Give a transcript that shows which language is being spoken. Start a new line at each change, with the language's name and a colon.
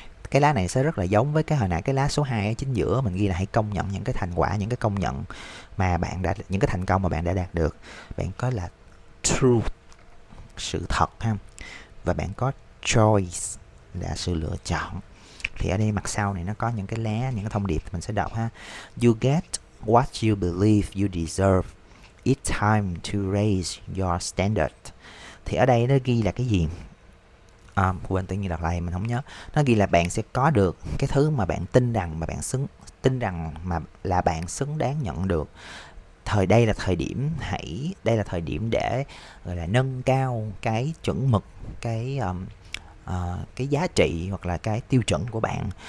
Vietnamese: Cái lá này sẽ rất là giống với cái hồi nãy, cái lá số 2 ở chính giữa mình ghi là hãy công nhận những cái thành quả, những cái công nhận mà bạn đã, những cái thành công mà bạn đã đạt được. Bạn có là truth, sự thật ha, và bạn có choice là sự lựa chọn. Thì ở đây mặt sau này nó có những cái lá, những cái thông điệp mình sẽ đọc ha.
English: You get what you believe you deserve. It's time to raise your standard.
Vietnamese: Thì ở đây nó ghi là cái gì? Quên tự nhiên đọc lại mình không nhớ. Nó ghi là bạn sẽ có được cái thứ mà bạn tin rằng mà bạn xứng tin rằng mà là bạn xứng đáng nhận được. Thời đây là thời điểm hãy đây là thời điểm để gọi là nâng cao cái chuẩn mực, cái giá trị hoặc là cái tiêu chuẩn của bạn.